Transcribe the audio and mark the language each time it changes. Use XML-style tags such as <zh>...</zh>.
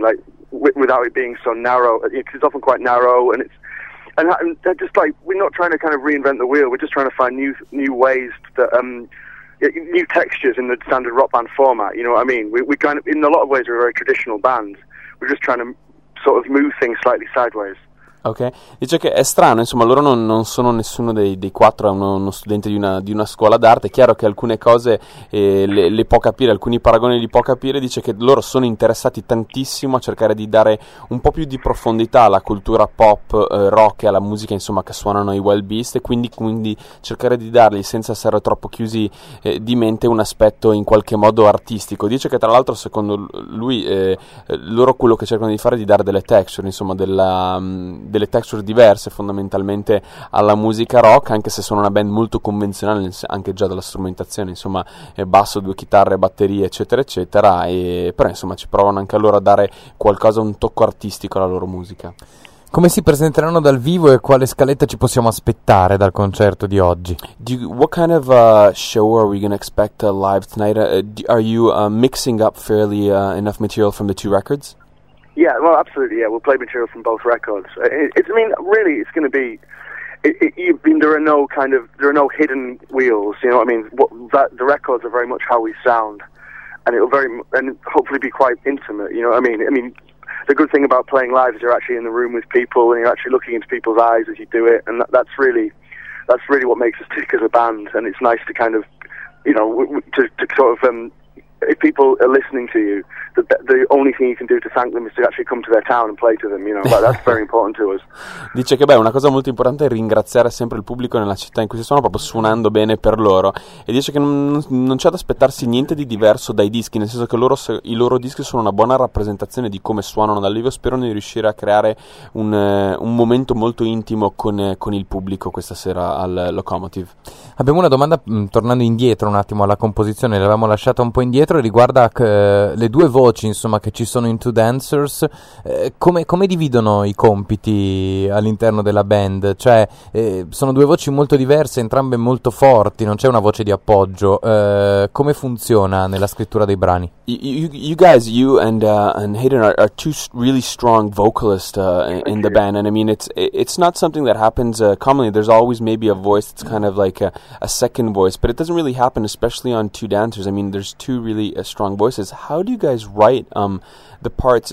<en>Like, without it being so narrow, because it's often quite narrow, and just like, we're not trying to kind of reinvent the wheel. We're just trying to find new ways that. New textures in the standard rock band format, you know what I mean? We kind of, in a lot of ways, we're a very traditional band. We're just trying to sort of move things slightly sideways.</en> <it>Ok, dice che è strano, insomma, loro non sono nessuno dei quattro, è uno studente di una scuola d'arte. È chiaro che alcune cose le può capire, alcuni paragoni li può capire. Dice che loro sono interessati tantissimo a cercare di dare un po' più di profondità alla cultura pop, rock e alla musica, insomma, che suonano i Wild Beast, e quindi cercare di dargli, senza essere troppo chiusi di mente, un aspetto in qualche modo artistico. Dice che tra l'altro, secondo lui, loro quello che cercano di fare è di dare delle texture, insomma, delle texture diverse fondamentalmente alla musica rock, anche se sono una band molto convenzionale, anche già dalla strumentazione, insomma, basso, due chitarre, batterie, eccetera, eccetera, però insomma ci provano anche loro a dare qualcosa, un tocco artistico alla loro musica. Come si presenteranno dal vivo e quale scaletta ci possiamo aspettare dal concerto di oggi?</it> <en>What kind of show are we going to expect live tonight? Are you mixing up fairly enough material from the two records? Yeah, well, absolutely, yeah. We'll play material from both records. It's going to be... there are no hidden wheels, you know what I mean? The records are very much how we sound, and it'll hopefully be quite intimate, you know what I mean? I mean, the good thing about playing live is you're actually in the room with people, and you're actually looking into people's eyes as you do it, and that's really what makes us tick as a band, and it's nice to kind of, you know, to sort of if people are listening to you, the only thing you can do to thank them is to actually come to their town and play to them, you know. But that's very important to us.</en> <it>Dice che, beh, una cosa molto importante è ringraziare sempre il pubblico nella città in cui si suona, proprio suonando bene per loro. E dice che non c'è da aspettarsi niente di diverso dai dischi, nel senso che i loro dischi sono una buona rappresentazione di come suonano dal vivo. Spero di riuscire a creare un momento molto intimo con il pubblico questa sera al Locomotive. Abbiamo una domanda, tornando indietro un attimo alla composizione, l'avevamo lasciata un po' indietro, riguarda le due voci, insomma, che ci sono in Two Dancers. Come dividono i compiti all'interno della band? Cioè, sono due voci molto diverse, entrambe molto forti, non c'è una voce di appoggio. Come funziona nella scrittura dei brani?</it> <en>You guys, you and Hayden are two really strong vocalists in the band, and I mean it's not something that happens commonly. There's always maybe a voice that's kind of like a second voice, but it doesn't really happen, especially on Two Dancers. I mean, there's two really strong voices. How do you guys write the parts?</en>